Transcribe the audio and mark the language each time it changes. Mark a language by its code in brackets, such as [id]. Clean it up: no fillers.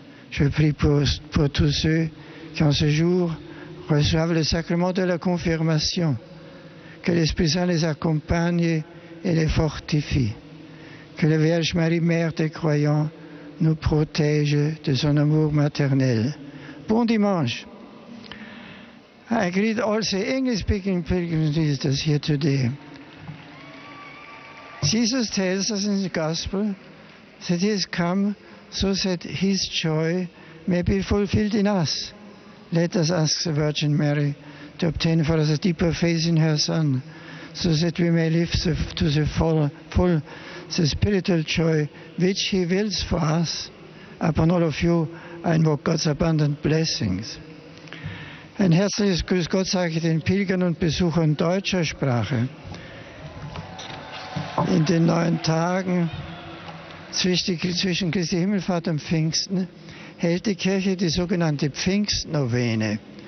[fr] Je prie pour tous ceux qui, en ce jour, reçoivent le sacrement de la confirmation, que l'Esprit Saint les accompagne et les fortifie. Que la Vierge Marie, Mère des croyants, nous protège de son amour maternel. Bon dimanche. [en] I greet all the English-speaking pilgrims visitors here today. Jesus tells us in the Gospel that he has come so that his joy may be fulfilled in us. Let us ask the Virgin Mary to obtain for us a deeper faith in her Son, so that we may live to the full the spiritual joy which he wills for us. Upon all of you, I invoke God's abundant blessings. [de] Ein herzliches Grüß Gott sage ich den Pilgern und Besuchern deutscher Sprache. In den neun Tagen zwischen Christi Himmelfahrt und Pfingsten hält die Kirche die sogenannte Pfingstnovene.